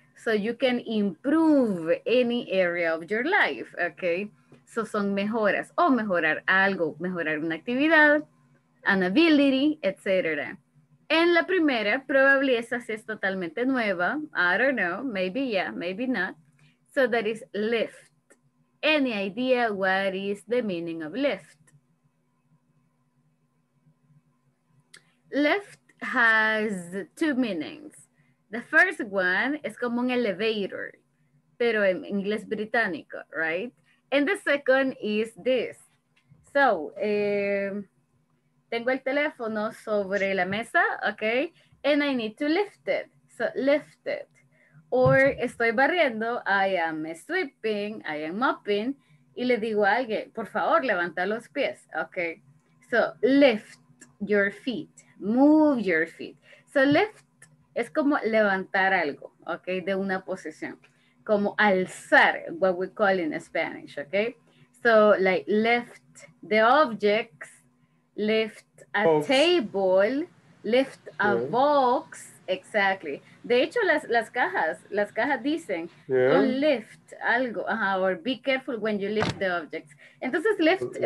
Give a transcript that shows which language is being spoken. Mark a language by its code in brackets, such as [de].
[en] So you can improve any area of your life. Okay. [es] So son mejoras o mejorar algo, mejorar una actividad, [en] an ability, [es] etc. En la primera, probably esa sí es totalmente nueva. [en] I don't know. Maybe yeah, maybe not. So that is lift. Any idea what is the meaning of lift? Lift has two meanings. The first one is [es] como un [en] elevator, [es] pero en inglés británico, [en] right? And the second is this. [es] So, tengo el teléfono sobre la mesa, okay? [en] And I need to lift it. So, lift it. Or [es] estoy barriendo, [en] I am sweeping, I am mopping, [es] y le digo a alguien, por favor, levanta los pies, [en] okay? So, lift your feet, move your feet. [es] So, lift es como levantar algo, okay, de una posición. Como alzar, [en] what we call in Spanish, [es] okay? [en] So, like, lift the objects, lift a box. Table, lift a yeah. box, exactly. [es] De hecho, las cajas dicen, [en] yeah. lift algo, or be careful when you lift the objects. [es] Entonces, [en] lift yeah.